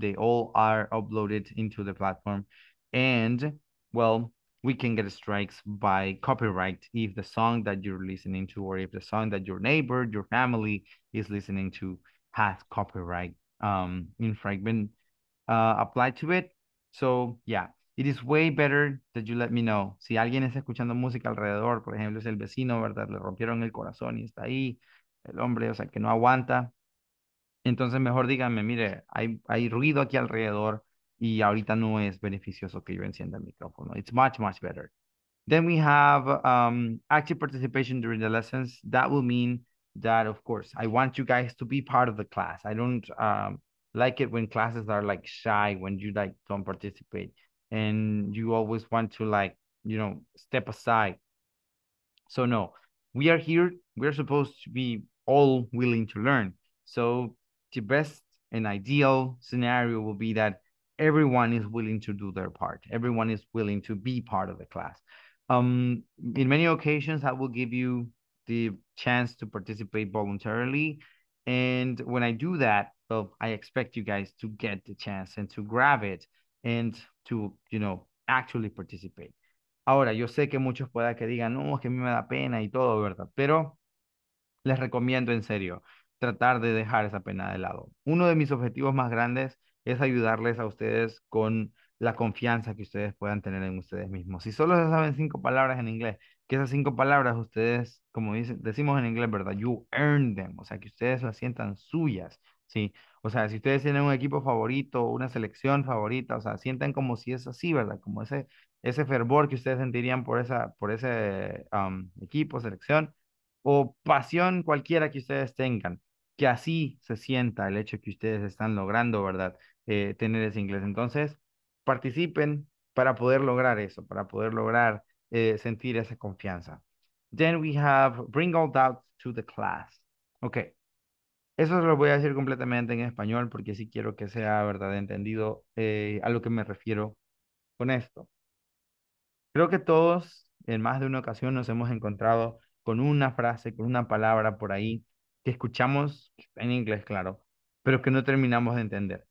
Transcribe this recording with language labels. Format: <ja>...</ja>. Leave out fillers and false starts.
<en>They all are uploaded into the platform. And, well, we can get strikes by copyright if the song that you're listening to or if the song that your neighbor, your family is listening to has copyright infringement applied to it. So, yeah, it is way better that you let me know.</en> <es>Si alguien está escuchando música alrededor, por ejemplo, es el vecino, ¿verdad? Le rompieron el corazón y está ahí. El hombre, o sea, que no aguanta. Entonces mejor díganme, mire, hay ruido aquí alrededor y ahorita no es beneficioso que yo encienda el micrófono.</es> <en>It's much, much better. Then we have active participation during the lessons. That will mean that, of course, I want you guys to be part of the class. I don't like it when classes are like shy, when you like don't participate and you always want to like, you know, step aside. So no, we are here. We're supposed to be all willing to learn. So the best and ideal scenario will be that everyone is willing to do their part. Everyone is willing to be part of the class. In many occasions, I will give you the chance to participate voluntarily. And when I do that, well, I expect you guys to get the chance and to grab it and to, you know, actually participate.</en> <es>Ahora, yo sé que muchos puedan que digan, no, es que a mí me da pena y todo, ¿verdad? Pero les recomiendo en serio tratar de dejar esa pena de lado. Uno de mis objetivos más grandes es ayudarles a ustedes con la confianza que ustedes puedan tener en ustedes mismos. Si solo se saben 5 palabras en inglés, que esas 5 palabras ustedes, como dicen, decimos en inglés, ¿verdad?</es> <en>You earn them,</en> <es>o sea, que ustedes las sientan suyas, ¿sí? O sea, si ustedes tienen un equipo favorito, una selección favorita, o sea, sientan como si es así, ¿verdad? Como ese fervor que ustedes sentirían por ese equipo, selección, o pasión cualquiera que ustedes tengan, que así se sienta el hecho que ustedes están logrando, ¿verdad?, tener ese inglés. Entonces, participen para poder lograr eso, para poder lograr sentir esa confianza.</es> <en>Then we have bring all doubts to the class. Okay.</en> <es>Eso lo voy a decir completamente en español porque sí quiero que sea, ¿verdad?, entendido a lo que me refiero con esto. Creo que todos, en más de una ocasión, nos hemos encontrado con una frase, con una palabra por ahí que escuchamos en inglés, claro, pero que no terminamos de entender.</es>